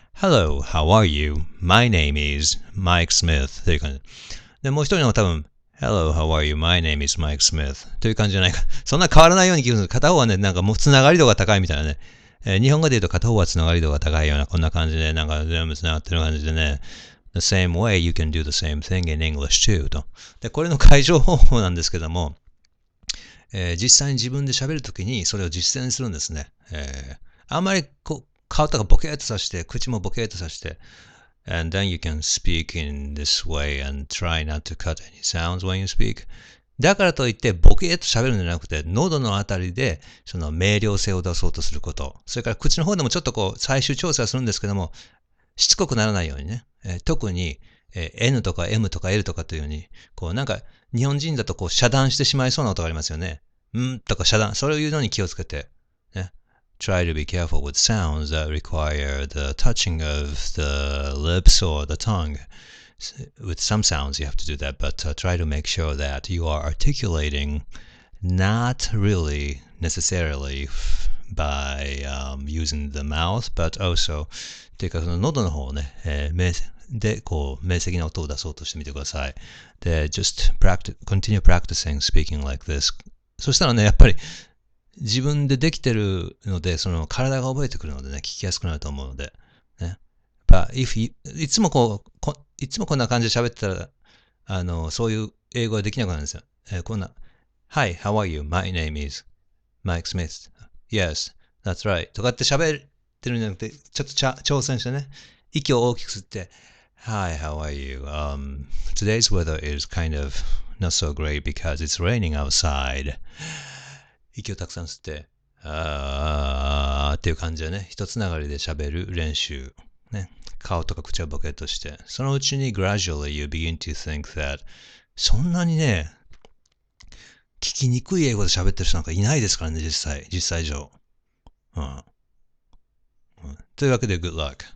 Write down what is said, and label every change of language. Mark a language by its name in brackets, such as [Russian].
[English] Hello, how are you? My name is Mike Smith. [Japanese] という感じ。で、もう一人の方は多分、 [English] Hello, how are you? My name is Mike Smith. [Japanese] という感じじゃないか。そんな変わらないように聞くんです。片方はね、なんかもうつながり度が高いみたいなね。日本語で言うと片方はつながり度が高いような、こんな感じで、なんか全部つながってる感じでね。 [English] The same way you can do the same thing in English too. [Japanese] と。で、これの解消方法なんですけども、実際に自分で喋るときにそれを実践するんですね。あんまりこう、顔とかボケーとさして、口もボケーとさして、 [English] And then you can speak in this way and try not to cut any sounds when you speak. [Japanese] だからといって、ボケーと喋るんじゃなくて、喉のあたりで、その明瞭性を出そうとすること。それから口の方でもちょっとこう、最終調整するんですけども、しつこくならないようにね。特に、N とか M とか L とかというように、こうなんか、日本人だとこう、遮断してしまいそうな音がありますよね。んとか遮断。それを言うのに気をつけて。 [English] Try to be careful with sounds that require the touching of the lips or the tongue. With some sounds, you have to do that, but try to make sure that you are articulating not really necessarily by using the mouth, but also, [Japanese] っていうか、その喉の方をね、で、こう、明晰な音を出そうとしてみてください。 [English] で、just practice, continue practicing speaking like this. [Japanese] そしたらね、やっぱり、自分でできてるので、その体が覚えてくるのでね、聞きやすくなると思うので。ね。いつもこう、いつもこんな感じで喋ってたら、そういう英語はできなくなるんですよ。こんな。 [English] Hi, how are you? My name is Mike Smith. Yes, that's right. [Japanese] とかって喋ってるんじゃなくて、ちょっと挑戦してね。息を大きく吸って。 [English] Hi, how are you? Today's weather is kind of not so great because it's raining outside. [Japanese] 息をたくさん吸って、あーっていう感じでね、一つながりで喋る練習ね。顔とか口はボケとして、そのうちに [English] gradually you begin to think that [Japanese] そんなにね、聞きにくい英語で喋ってる人なんかいないですからね、実際上、うん、というわけで [English] good luck.